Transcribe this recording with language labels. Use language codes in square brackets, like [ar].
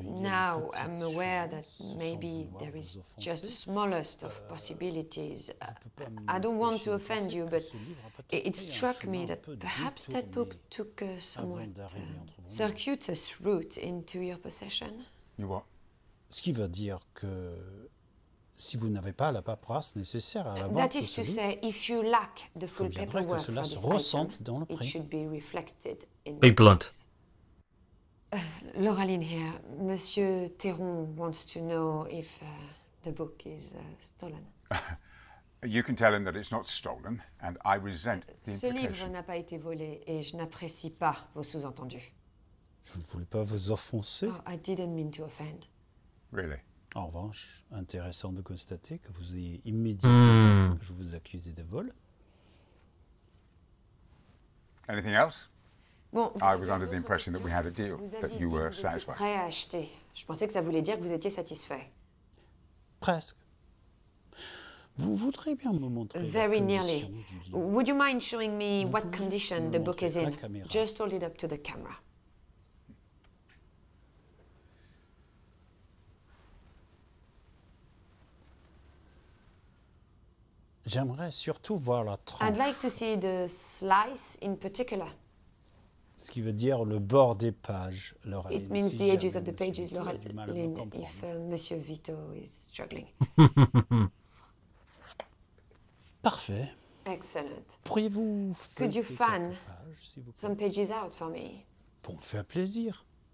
[en] Now I'm aware that maybe there is just the smallest of possibilities. I don't want to offend you, but it struck me that perhaps that book took a somewhat circuitous route into your possession. You what? [fr] Ce qui veut dire que si vous n'avez pas la paperasse nécessaire à la vente. [en] That is to say, if you lack the full paperwork for this item, [fr] dans le prix. [en] It should be reflected in be blunt. Laureline here. Monsieur Théron wants to know if the book is stolen. You can tell him that it's not stolen, and I resent the implication. [fr] Ce livre n'a pas été volé, et je n'apprécie pas vos sous-entendus. Je ne voulais pas vous offenser. [en] Oh, I didn't mean to offend. Really? [fr] En revanche, intéressant de constater que vous ayez immédiatement pensé que je vous accusais de vol. [en] Anything else? [fr] Bon, [en] I was under the impression that we had a deal, that you were satisfied. [fr] Vous aviez dit prêt à acheter. Je pensais que ça voulait dire que vous étiez satisfait. Presque. Vous voudriez bien me montrer [en] very [fr] la [en] nearly. [fr] Du livre. [en] Would you mind showing me vous what condition the book is in? [fr] Caméra. [en] Just hold it up to the camera. [fr] J'aimerais surtout voir la tranche. [en] I'd like to see the slice in particular. [fr] Ce qui veut dire le bord des pages, Laureline. [en] It means the edges of the pages, Laureline, if Monsieur Vito is struggling. [fr] Parfait. [en] Excellent. [fr] Pourriez-vous [en] could you fan pages, [fr] s'il vous plaît? [en] Some pages out for me? [fr] Pour me faire plaisir.